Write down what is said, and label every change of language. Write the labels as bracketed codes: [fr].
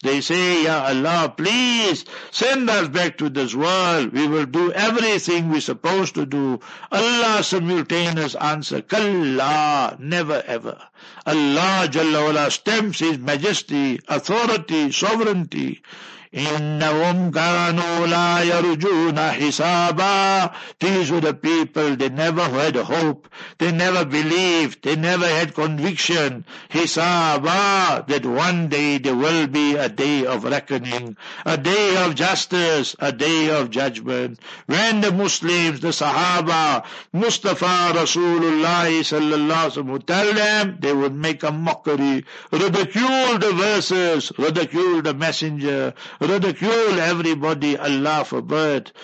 [en] They say, Ya Allah, please send us back to this world. We will do everything we're supposed to do. Allah's simultaneous answer, Kalla, never ever. Allah Jalla Wala stamps his majesty, authority, sovereignty. [ar] إنهم كانوا لا يرجون حسابا. [en] These were the people, they never had hope, they never believed, they never had conviction. حسابا, that one day there will be a day of reckoning, a day of justice, a day of judgment. When the Muslims, the Sahaba, Mustafa Rasulullah sallallahu alayhi wa sallam, tell them, they would make a mockery, ridicule the verses, ridicule the messenger, ridicule everybody, Allah forbid.